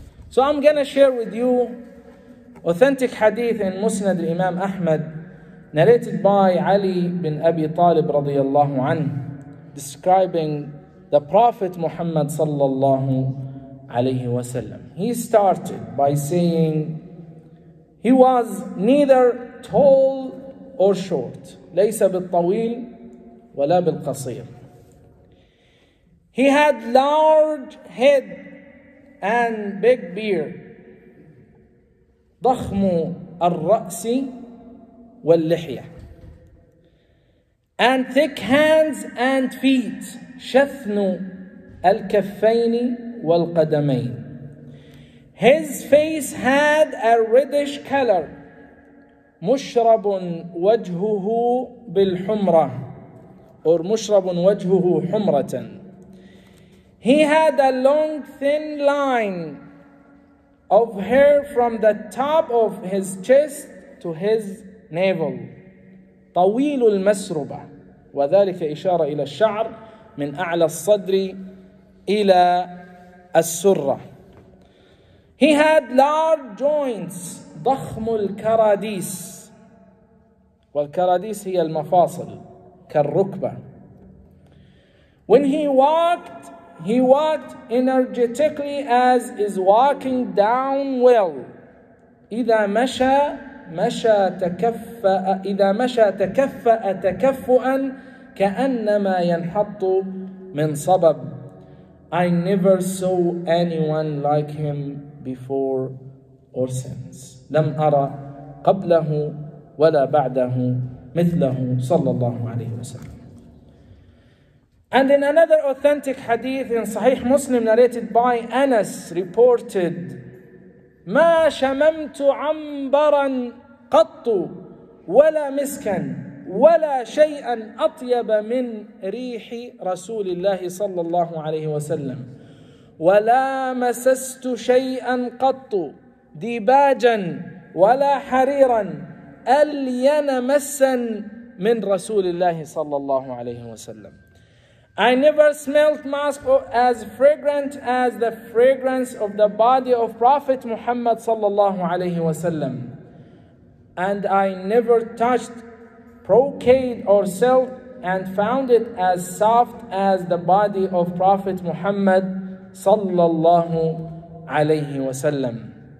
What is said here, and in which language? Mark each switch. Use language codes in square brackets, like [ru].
[en] So I'm going to share with you authentic hadith in Musnad Imam Ahmad, narrated by Ali bin Abi Talib radiyallahu anhu, describing the Prophet Muhammad sallallahu alayhi wa sallam. He started by saying he was neither tall or short. [ar] ليس بالطويل ولا بالقصير. [en] He had large head and big beard. [ar] ضخم الرأس واللحية. [en] And thick hands and feet. [ar] شثن الكفين والقدمين. [en] His face had a reddish color. [ar] مشرب وجهه بالحمرة. Or مشرب وجهه حمرة. [en] He had a long thin line of hair from the top of his chest to his navel. [ar] طويل المسربة، وذلك إشارة إلى الشعر من أعلى الصدر إلى السرة. [en] He had large joints. [ar] ضخم الكراديس، والكراديس هي المفاصل كالركبة. [en] When he walked, he walked energetically as is walking down well. [ar] إذا مشى مشى تكفأ، إذا مشى تكفأ تكفؤا كأنما ينحط من صبب. [en] I never saw anyone like him before or since. [ar] لم أرى قبله ولا بعده مثله صلى الله عليه وسلم. [en] And in another authentic hadith in Sahih Muslim narrated by Anas reported, [ar] ما شممت عنبرا قط ولا مسكا ولا شيئا أطيب من ريح رسول الله صلى الله عليه وسلم ولا مسست شيئا قط ديباجا ولا حريرا ألين مسا من رسول الله صلى الله عليه وسلم. [en] I never smelled musk as fragrant as the fragrance of the body of Prophet Muhammad sallallahu alayhi wa sallam. And I never touched brocade or silk and found it as soft as the body of Prophet Muhammad sallallahu alayhi wa sallam.